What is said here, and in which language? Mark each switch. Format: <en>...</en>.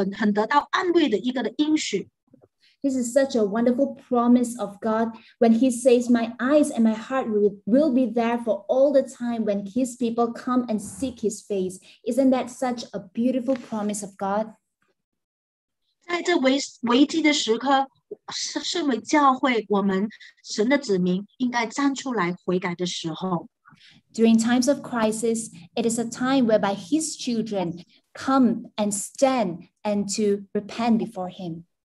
<zh>我的眼，我的心时常在那里。原来神真的是在上帝祷告时，祷告的时候，上帝的子民在祷告的时候，上帝的眼，上帝的心都常在那里听他的子民祷告。这是多么一个非常非常很得到安慰的一个的应许。</zh> <en>This is such a wonderful promise of God when he says, my eyes and my heart will be there for all the time when his people come and seek his face. Isn't that such a beautiful promise of God?</en> <zh>在这危机的时刻，身为教会，我们神的子民应该站出来悔改的时候。</zh> <en>During times of crisis, it is a time whereby his children come and stand and to repent before him.</en>